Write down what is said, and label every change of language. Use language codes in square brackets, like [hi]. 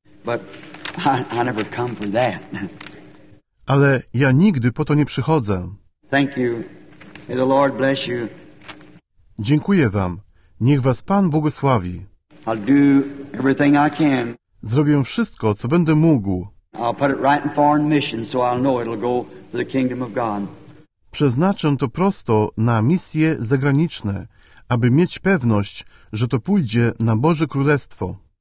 [en] But I never come for that. [pl] Ale ja nigdy po to nie przychodzę. [en] Thank you. May the Lord bless you. [pl] Dziękuję wam. Niech was Pan błogosławi. [en] I'll do everything I can. [pl] Zrobię wszystko, co będę mógł. [en] I'll put it right in foreign mission so I'll know it'll go to the kingdom of God. [pl] Przeznaczę to prosto na misje zagraniczne, aby mieć pewność, że to pójdzie na Boże Królestwo.